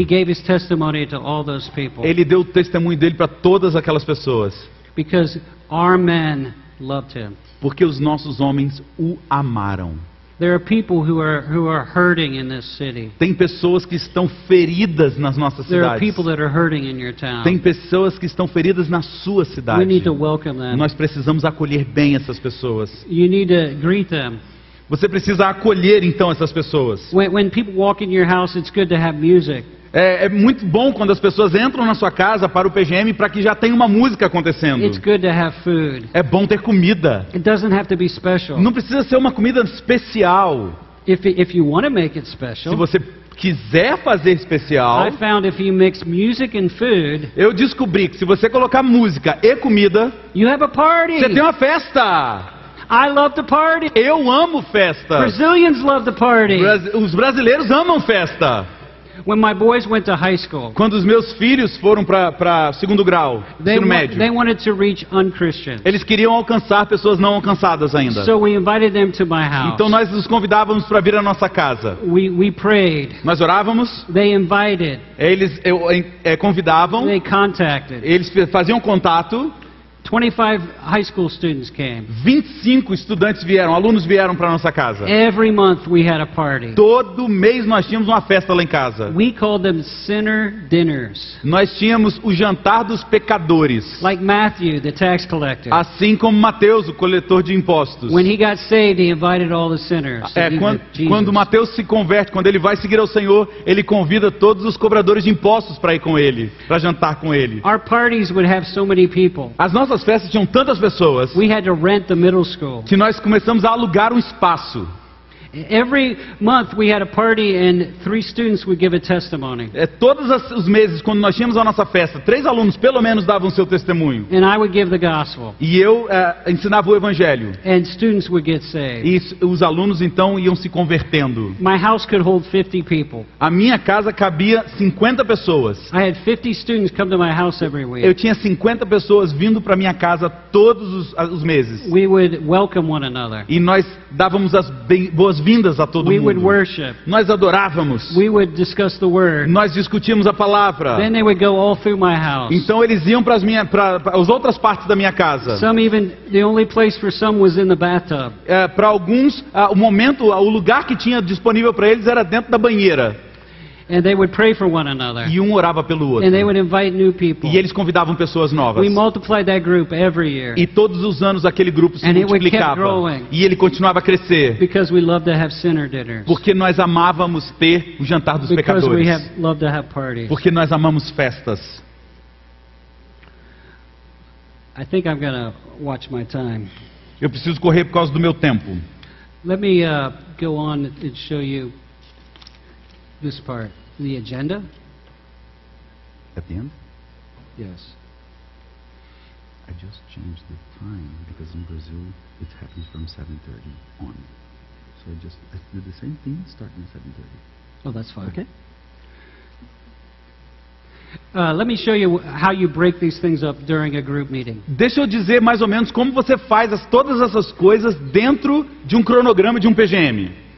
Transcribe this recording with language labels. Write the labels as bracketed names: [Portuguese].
[English] He gave his testimony to all those people. [Portuguese] Ele deu o testemunho dele para todas aquelas pessoas. [English] Because our men loved him. [Portuguese] Porque os nossos homens o amaram. [English] There are people who are hurting in this city. [Portuguese] Tem pessoas que estão feridas nas nossas [English] There [Portuguese] cidades. [English] Are people that are hurting in your town. [Portuguese] Tem pessoas que estão feridas na sua cidade. [English] We need to welcome them. [Portuguese] Nós precisamos acolher bem essas pessoas. [English] You need to greet them. [Portuguese] Você precisa acolher então essas pessoas. [English] When people walk in your house, it's good to have music. [Portuguese] É muito bom quando as pessoas entram na sua casa para o PGM para que já tenha uma música acontecendo. [English] It's good to have food. [Portuguese] É bom ter comida. [English] It doesn't have to be special. [Portuguese] Não precisa ser uma comida especial. [English] If you want to make it special. [Portuguese] Se você quiser fazer especial. [English] I found if you mix music and food, [Portuguese] eu descobri que se você colocar música e comida, [English] you have a party. [Portuguese] Você tem uma festa. [English] I love the party. [Portuguese] Eu amo festa. [English] Brazilians love the party. [Portuguese] Os brasileiros amam festa. [English] When my boys went to high school, [Portuguese] quando os meus filhos foram para segundo grau, ensino médio, [English] they wanted to reach un-Christians. [Portuguese] Eles queriam alcançar pessoas não alcançadas ainda. [English] So we invited them to my house. [Portuguese] Então nós os convidávamos para vir à nossa casa. [English] We prayed. [Portuguese] Nós orávamos. [English] They invited. [Portuguese] Eles convidavam. [English] They contacted. [Portuguese] Eles faziam contato. [English] 25 high school students came. [Portuguese] 25 estudantes vieram, alunos vieram para nossa casa. [English] Every month we had a party. [Portuguese] Todo mês nós tínhamos uma festa lá em casa. [English] We called them sinner dinners. [Portuguese] Nós tínhamos o jantar dos pecadores. [English] Like Matthew, the tax collector. [Portuguese] Assim como Mateus, o coletor de impostos. [English] When he got saved, he invited all the sinners. [Portuguese] Quando Mateus se converte, quando ele vai seguir ao Senhor, ele convida todos os cobradores de impostos para ir com ele, para jantar com ele. [English] Our parties would have so many people. [Portuguese] Nossas festas tinham tantas pessoas. [English] We had to rent the middle school. [Portuguese] Que nós começamos a alugar um espaço. [English] Every month we had a party and 3 students would give a testimony. [Portuguese] Todos os meses quando nós tínhamos a nossa festa, 3 alunos pelo menos davam seu testemunho. [English] And I would give the gospel. [Portuguese] E eu ensinava o evangelho. [English] And students would get saved. [Portuguese] E os alunos então iam se convertendo. [English] My house could hold 50 people. [Portuguese] A minha casa cabia 50 pessoas. [English] I had 50 students come to my house every week. [Portuguese] Eu tinha 50 pessoas vindo para minha casa todos os meses. [English] We would welcome one another. [Portuguese] E nós dávamos as boas vindas a todo [English] We [Portuguese] mundo. [English] Would worship. [Portuguese] Nós adorávamos. [English] We would discuss the word. [Portuguese] Nós discutíamos a palavra. [English] Then they would go all through my house. [Portuguese] Então eles iam para as outras partes da minha casa. [English] Some even the only place for some was in the bathtub. [Portuguese] Para alguns, o momento, o lugar que tinha disponível para eles era dentro da banheira. [English] And they would pray for one another. [Portuguese] E um orava pelo outro. [English] And they would invite new people. [Portuguese] E eles convidavam pessoas novas. [English] We multiplied that group every year. [Portuguese] E todos os anos aquele grupo se [English] And [Portuguese] multiplicava. [English] It would keep growing. [Portuguese] E ele continuava a crescer. [English] Because we loved to have sinner dinners. [Portuguese] Porque nós amávamos ter o jantar dos [English] Because [Portuguese] pecadores. [English] We have loved to have parties. [Portuguese] Porque nós amamos festas. [English] I think I'm gonna watch my time. [Portuguese] Eu preciso correr por causa do meu tempo. [English] Let me go on and show you this part, the agenda. At the end? Yes. I just changed the time because in Brazil it happens from 7:30 on. So I do the same thing starting at 7:30. Oh, that's fine. Okay. Let me show you how you break these things up during a group meeting. [Portuguese] Deixa eu dizer mais ou menos como você faz todas essas coisas dentro de cronograma de PGM.